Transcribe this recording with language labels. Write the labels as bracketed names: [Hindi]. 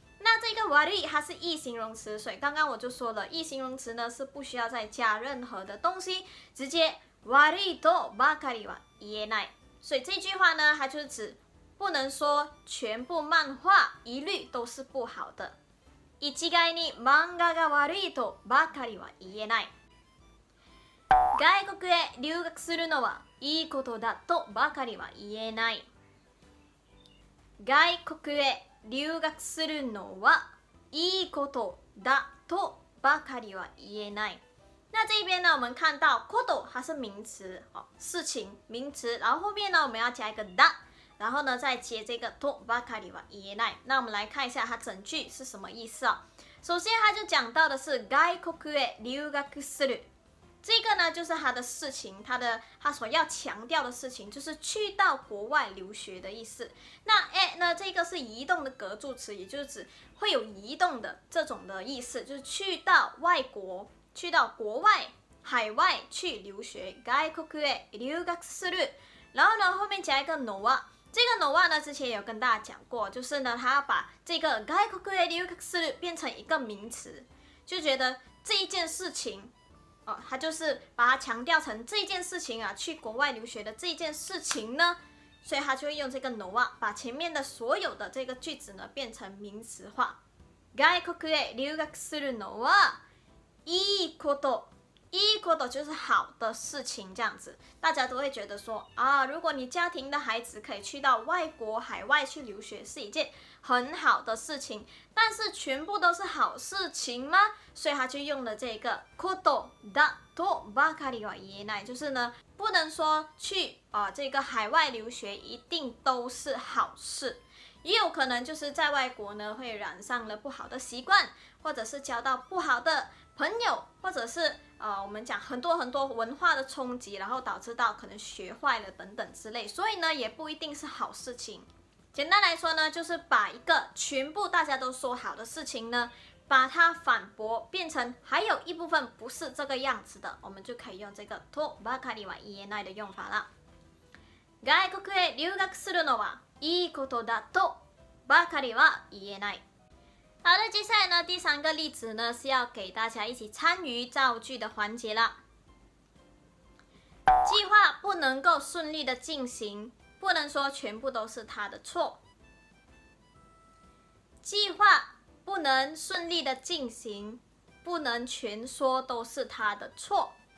[Chinese] 那这个悪い它是一形容词，所以刚刚我就说了一形容词呢是不需要再加任何的东西，直接 [Japanese] 悪いとばかりは言えない。 [Chinese] 所以这句话呢它就是指不能说全部漫画一律都是不好的。 [Japanese] 一概に漫画が悪いとばかりは言えない。外国へ留学するのはいいことだとばかりは言えない。外国へ留学するのはいいことだとばかりは言えない。 [Chinese] 那这边呢我们看到こと它是名词、哦、事情名词，然后后面呢我们要加一个だ，然后呢再接这个とばかりは言えない。那我们来看一下它整句是什么意思、哦、首先它就讲到的是 [Japanese] 外国へ留学する， [Chinese] 这个呢就是他的事情，他所要强调的事情就是去到国外留学的意思。那诶呢这个是移动的格助词，也就是指会有移动的这种的意思，就是去到外国，去到国外海外去留学。 [Japanese] 外国へ留学する。 [Chinese] 然后呢后面加一个のは，这个のは呢之前有跟大家讲过，就是呢他要把这个外国へ留学する变成一个名词，就觉得这一件事情他就是把它强调成这件事情啊，去国外留学的这件事情呢所以他就会用这个 のは 把前面的所有的这个句子呢变成名词化。 [Japanese] 外国へ留学するのはいいこと。いいこと [Chinese] 就是好的事情，这样子大家都会觉得说啊，如果你家庭的孩子可以去到外国海外去留学是一件很好的事情，但是全部都是好事情吗？所以他就用了这个 [Japanese] ことだとばかりは言えない， [Chinese] 就是呢不能说去这个海外留学一定都是好事，也有可能就是在外国呢会染上了不好的习惯，或者是交到不好的朋友，或者是我们讲很多很多文化的冲击，然后导致到可能学坏了等等之类，所以呢也不一定是好事情。简单来说呢，就是把一个全部大家都说好的事情呢，把它反驳变成还有一部分不是这个样子的，我们就可以用这个 [Japanese] とばかりは言えない [Chinese] 的用法了。 [Japanese] 外国へ留学するのはいいことだとばかりは言えない。 [Chinese] 好的，接下来呢第三个例子呢是要给大家一起参与造句的环节了。计划不能够顺利的进行，不能说全部都是他的错。计划不能顺利的进行，不能全说都是他的错。